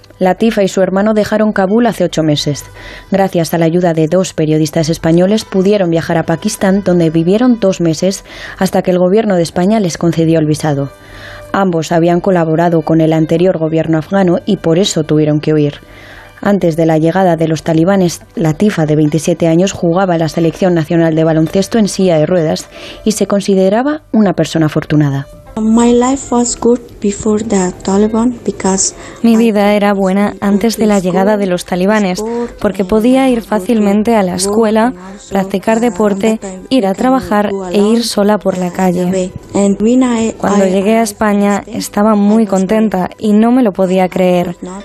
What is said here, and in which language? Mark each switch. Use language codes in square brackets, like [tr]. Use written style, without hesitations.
[es] Latifa y su hermano dejaron Kabul hace 8 meses. Gracias a la ayuda de 2 periodistas españoles pudieron viajar a Pakistán, donde vivieron 2 meses hasta que el gobierno de España les concedió el visado. Ambos habían colaborado con el anterior gobierno afgano y por eso tuvieron que huir. Antes de la llegada de los talibanes, Latifa, de 27 años, jugaba la selección nacional de baloncesto en silla de ruedas y se consideraba una persona afortunada. [en] My life was good before the Taliban because [es] mi vida era buena antes de la llegada de los talibanes, porque podía ir fácilmente a la escuela, practicar deporte, ir a trabajar e ir sola por la calle. Cuando llegué a España estaba muy contenta y no me lo podía creer.